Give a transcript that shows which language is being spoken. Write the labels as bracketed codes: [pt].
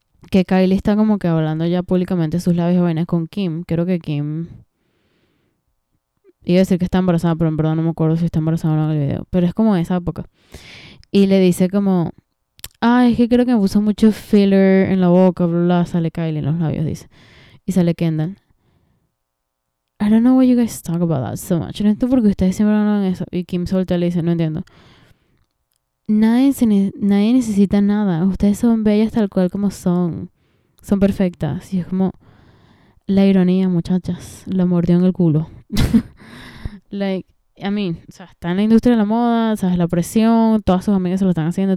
[es] Que Kylie está como que hablando ya públicamente sus labios jóvenes con Kim. Creo que Kim iba a decir que está embarazada, pero en verdad no me acuerdo si está embarazada o no en el video. Pero es como esa época. Y le dice como, ay, es que creo que me puso mucho filler en la boca, bla, bla. Sale Kylie en los labios, dice. Y sale Kendall. [en] I don't know why you guys talk about that so much. [es] No entiendo por qué ustedes siempre hablan eso. Y Kim solta y le dice, no entiendo. Nadie necesita nada. Ustedes son bellas tal cual como son. Son perfectas. Y es como, la ironía, muchachas. La mordió en el culo. [en] Like, I mean, [es] o sea, está en la industria de la moda, sabes, la presión, todas sus amigas se lo están haciendo.